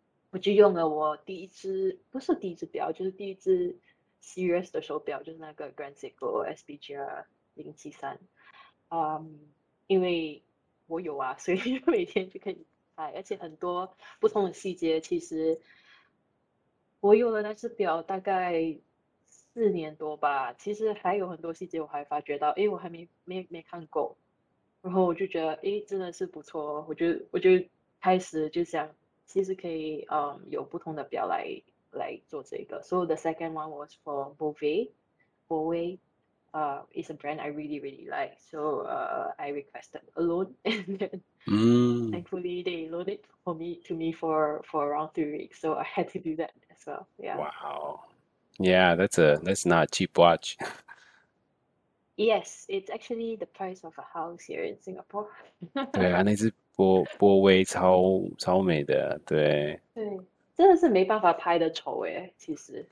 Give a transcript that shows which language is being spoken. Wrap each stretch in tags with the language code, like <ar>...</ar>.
<zh>我就用了我第一只不是第一只表，就是第一只 serious 的手表，就是那个 Grand Seiko SPGR073，因为我有啊，所以每天就可以拍，而且很多不同的细节，其实我有了那只表大概4年多吧，其实还有很多细节我还发觉到，因为我还没看够。然后我就觉得，诶，真的是不错哦！我就开始就想，其实可以，有不同的表来做这个。</zh> <en>So the second one was for Bovet, is a brand I really really like. So I requested a loan, and then thankfully they loaned it for me to me for around 3 weeks. So I had to do that as well. Yeah. Yeah, that's not a cheap watch. Yes, it's actually the price of a house here in Singapore.</en> <zh>对啊，那只波威超美的，对。对，真的是没办法拍得丑诶，其实</zh>